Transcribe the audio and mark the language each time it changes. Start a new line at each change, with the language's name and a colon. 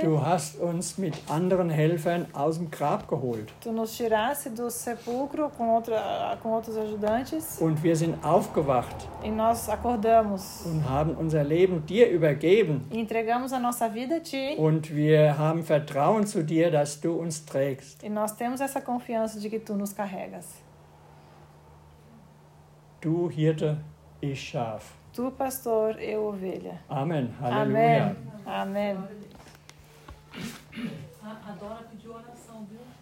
German: Du hast uns mit anderen Helfern aus dem Grab geholt.
Portuguese: Tu nos tiraste do sepulcro com outros ajudantes.
German: Und wir sind aufgewacht.
Portuguese: E nós acordamos.
German: Und haben unser Leben dir übergeben.
Portuguese: E entregamos a nossa vida a ti.
German: Und wir haben Vertrauen zu dir, dass du uns trägst.
Portuguese: E nós temos essa confiança de que tu nos carregas.
German: Du Hirte, ich Schaf.
Portuguese: Tu pastor, eu ovelha.
German: Amen. Halleluja.
Portuguese: Amen. Amen. A Dora pediu oração, viu?